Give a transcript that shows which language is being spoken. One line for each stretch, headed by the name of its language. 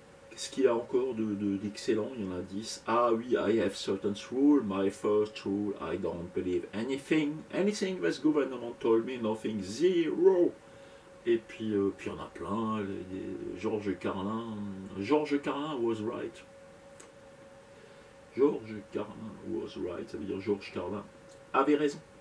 French: Qu'est-ce qu'il y a encore d'excellent? Il y en a 10. Ah oui,
English: I have certain rules. My first rule, I don't believe anything that the government told me, nothing, zero.
French: Et puis, puis on a plein,
English: George Carlin was right,
French: ça veut dire George Carlin avait raison.